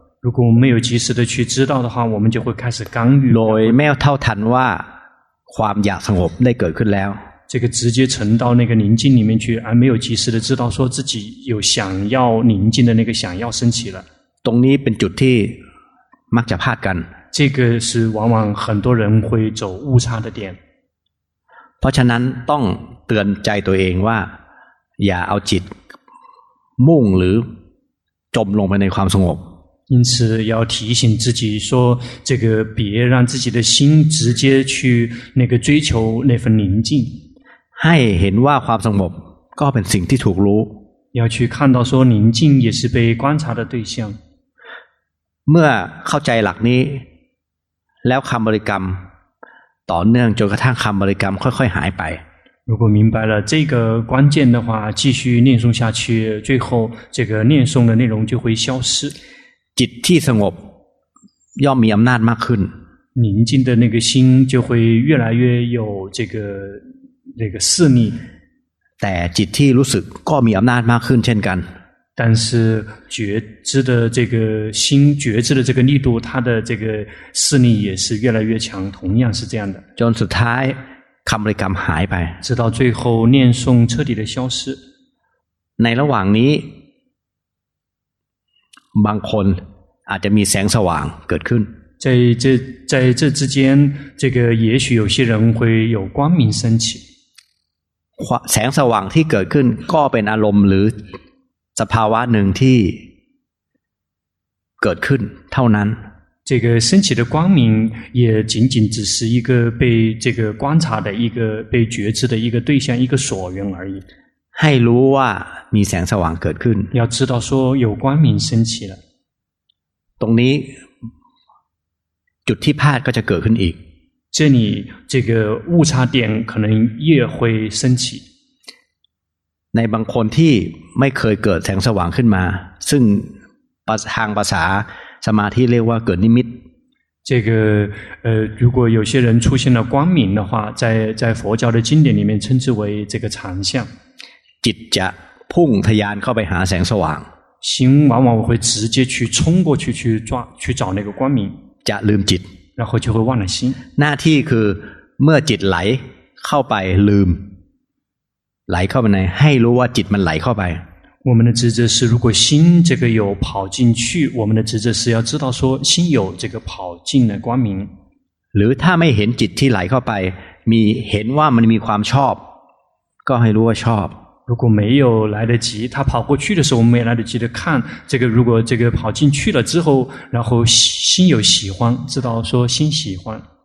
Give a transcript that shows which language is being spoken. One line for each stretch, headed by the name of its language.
Chinese: 如果没有及时的去知道的话我们就会开始干预
Thai: โดยไม่เท่าทันว่าความอยากสงบได้เกิดขึ้นแล้ว
Chinese: 这个直接沉到那个宁静里面去而没有及时的知道说自己有想要宁静的那个想要升起了
Thai: ตรงนี้เป็นจุดที่มักจะพลาดกัน
Chinese: 这个是往往很多人会走误差的点
Thai: เพราะฉะนั้นต้องเตือนใจตัวเองว่าอย่าเอาจิตมุ่งหรือจมลงไปในความสงบ
Chinese: 因此要提醒自己说这个别让自己的心直接去那个追求那份宁静
Thai: ให้เห็นว่าความสงบก็เป็นสิ่งที่ถูกรู้
Chinese: 要去看到说宁静也是被观察的对象
Thai: เมื่อเข้าใจหลักนี้แล้วคำบริกรรมต่อเนื่องจนกระทั่งคำบริกรรมค่อยๆหายไป
Chinese: 如果明白了这个关键的话继续念诵下去最后这个念诵的内容就会消失
Thai: จิตที่สงบย่อมมีอำนาจมากขึ้น
Chinese: 宁静的那个心就会越来越有这个那个势力
Thai: แต่จิตที่รู้สึกก็มีอำนาจมากขึ้นเช่นกัน
Chinese: 但是觉知的这个心觉知的这个力度它的这个势力也是越来越强同样是这样的
Thai: จนสุดท้ายคำบริกรรมหายไป
Chinese: 直到最后念诵彻底的消失
Thai: ในระหว่างนี้บางคนอาจจะมีแสงสว่างเกิดขึ้น
Chinese: 在这之间这个也许有些人会有光明升起
Thai: แสงสว่างที่เกิดขึ้นก็เป็นอารมณ์หรือสภาวะหนึ่งที่เกิดขึ้นเท่านั้น
Chinese: 这个升起的光明也仅仅只是一个被这个观察的一个被觉知的一个对象一个所缘而已
Thai: ให้รู้ว่ามีแสงสว่างเกิดขึ้น
Chinese: 要知道说有光明升起了
Thai: ตรงนี้จุดที่พลาดก็จะเกิดขึ้นอีก
Chinese: 这里这个误差点可能也会升起
Thai: ในบางคนที่ไม่เคยเกิดแสงสว่างขึ้นมาซึ่งทางภาษาสมาธิเรียกว่าเกิดนิมิต
Chinese: 这个如果有些人出现了光明的话在佛教的经典里面称之为这个常相
Thai: จิตจะพุ่งทะยานเข้าไปหาแสงสว่าง
Chinese: 心往往会直接去冲过去去抓去找那个光明
Thai: จะลืมจิต
Chinese: 然后就会忘了心
Thai: หน้าที่คือเมื่อจิตไหลเข้าไปลืมไหลเข้าไปไหนให้รู้ว่าจิตมันไหลเข้าไป
Chinese: 我们的职责是如果心这个有跑进去我们的职责是要知道说心有这个跑进的光明
Thai: หรือถ้าไม่เห็นจิตที่ไหลเข้าไปมีเห็นว่ามันมีความชอบก็ให้รู้ว่าชอบ
Chinese: 如果没有来得及他跑过去的时候我们没来得及的看这个如果这个跑进去了之后然后心有喜欢知道说心喜欢